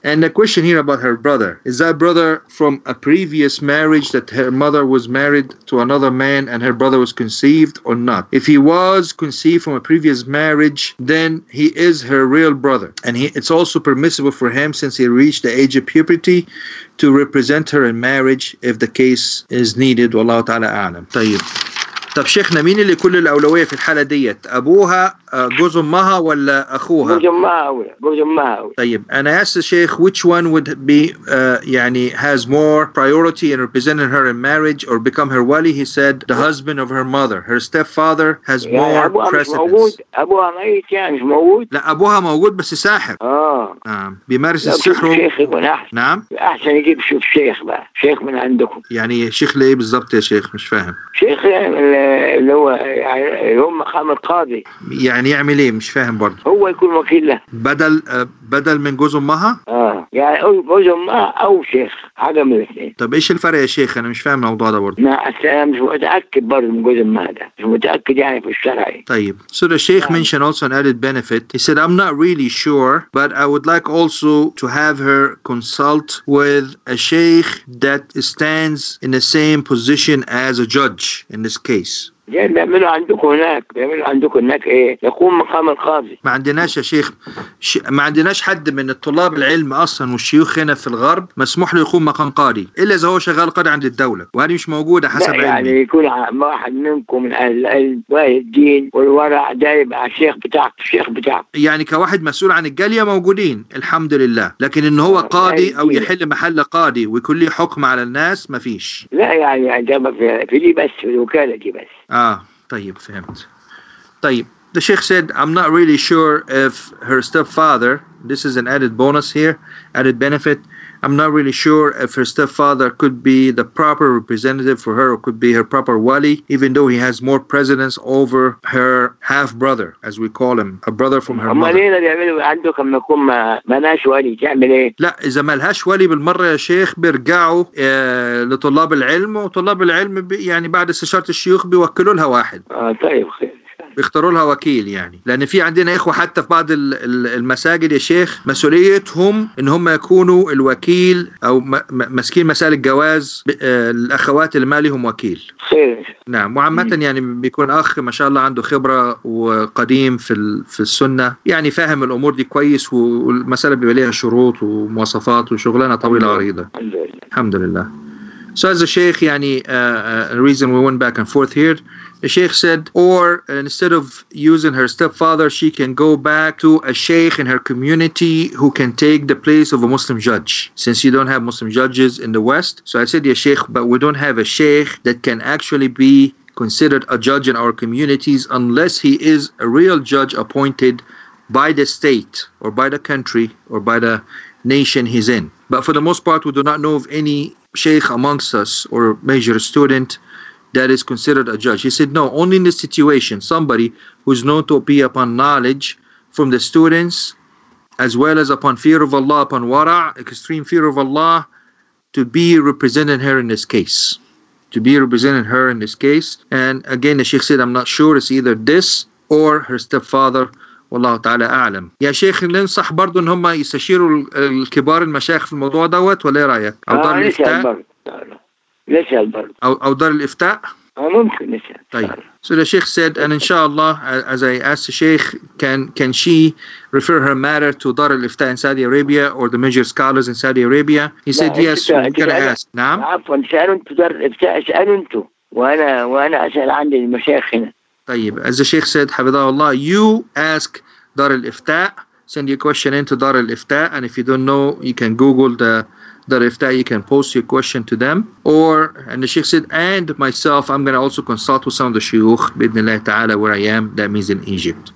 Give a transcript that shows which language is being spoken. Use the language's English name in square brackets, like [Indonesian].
[English] And the question here about her brother, is that brother from a previous marriage that her mother was married to another man and her brother was conceived or not? If he was conceived from a previous marriage, then he is her real brother, and it's also permissible for him, since he reached the age of puberty, to represent her in marriage if the case is needed. Wallahu ta'ala a'lam. [Arabic] طيب طب شيخنا مين اللي كل الأولوية في الحالة ديت؟ أبوها جوز أمها ولا أخوها؟ جوز أمها. طيب أنا أسأل الشيخ [English] which one would be يعني has more priority in representing her in marriage or become her wali. He said the husband of her mother, her stepfather has [Arabic] يعني [English] more [Arabic] أبوها [English] precedence. [Arabic] مش موجود. أبوها ميت يعني مش موجود؟ لا أبوها موجود بس ساحر. نعم بيمارس السحر. نعم أحسن يجيب شوف شيخ بقى شيخ من عندكم. يعني شيخ ليه بالضبط يا شيخ؟ مش فاهم. شيخ اللي هو يعني هم مقام القاضي يعني يعمل ايه؟ مش فاهم برضه. هو يكون وكيل له بدل من جوز امها. يعني جوز امها او شيخ حاجه من الاثنين. طب ايش الفرق يا شيخ؟ انا مش فاهم الموضوع ده برضه. لا السلام مش متاكد برضه من جوز امها ده مش متاكد يعني في الشرعي. [English] طيب so the sheikh mentioned also an added benefit. He said I'm not really sure but I would like also to have her consult with a sheikh that stands in the same position as a judge in this case. [Arabic] يعني بيعملوا عندكم هناك ايه؟ يقوم مقام القاضي. ما عندناش يا شيخ ما عندناش حد من الطلاب العلم اصلا والشيوخ هنا في الغرب مسموح له يقوم مقام قاضي الا اذا هو شغال قاضي عند الدوله، وهذه مش موجوده حسب علمي. يعني يكون واحد منكم من اهل الدين والورع دايب على الشيخ بتاعك. يعني كواحد مسؤول عن الجاليه موجودين الحمد لله، لكن ان هو قاضي او يحل محل قاضي ويكون له حكم على الناس مفيش. لا يعني في لي بس في الوكاله دي بس. طيب فهمت. [English] طيب the sheikh said I'm not really sure if her stepfather, this is an added bonus here, added benefit, I'm not really sure if her stepfather could be the proper representative for her or could be her proper wali, even though he has more precedence over her half brother, as we call him, a brother from her mother. [Arabic] أمال إيه اللي بيعمله عندكم لما ملهاش ولي تعمل إيه؟ لا إذا ملهاش ولي بالمرة يا شيخ بيرجعوا لطلاب العلم، وطلاب العلم يعني بعد استشارة الشيوخ بيوكلوا لها واحد. طيب خير. بيختاروا لها وكيل يعني، لان في عندنا اخوه حتى في بعض المساجد يا شيخ مسؤوليتهم ان هم يكونوا الوكيل او ماسكين مسائل الجواز الاخوات اللي ما لهم وكيل. خير. نعم وعامه يعني بيكون اخ ما شاء الله عنده خبره وقديم في السنه، يعني فاهم الامور دي كويس، والمساله بيبقى ليها شروط ومواصفات وشغلانه طويله عريضه. الحمد لله. [English] So as a sheikh, يعني the reason we went back and forth here The sheikh said, or instead of using her stepfather, she can go back to a sheikh in her community who can take the place of a Muslim judge, since you don't have Muslim judges in the West. So I said, yeah, sheikh, but we don't have a sheikh that can actually be considered a judge in our communities unless he is a real judge appointed by the state or by the country or by the nation he's in. But for the most part, we do not know of any sheikh amongst us or major student that is considered a judge. He said, no, only in this situation, somebody who is known to be upon knowledge from the students, as well as upon fear of Allah, upon wara, extreme fear of Allah, to be representing her in this case. To be representing her in this case. And again, the sheikh said, I'm not sure, it's either this or her stepfather. [Arabic] والله تعالى أعلم. يا شيخ ننصح برضو إن هم يستشيروا الكبار المشايخ في الموضوع دوت ولا رأيك؟ أو دار الإفتاء؟ أو دار الإفتاء؟ ممكن نسأل. طيب. [English] So the sheikh said, and inshallah, as I asked the sheikh, can she refer her matter to Dar al-Ifta in Saudi Arabia or the major scholars in Saudi Arabia? He said yes. We're gonna ask. نعم. [Arabic] عفواً سألوا أنتوا دار الإفتاء سألوا أنتوا وأنا أسأل عندي المشايخ هنا. [English] طيب, as the sheikh said, [Arabic] حفظه الله, [English] you ask Dar al-Ifta, send your question into Dar al-Ifta, and if you don't know, you can Google the Dar al-Ifta, you can post your question to them. Or, and the sheikh said, and myself, I'm going to also consult with some of the shuyukh, [Arabic] بإذن الله تعالى, [English] where I am, that means in Egypt.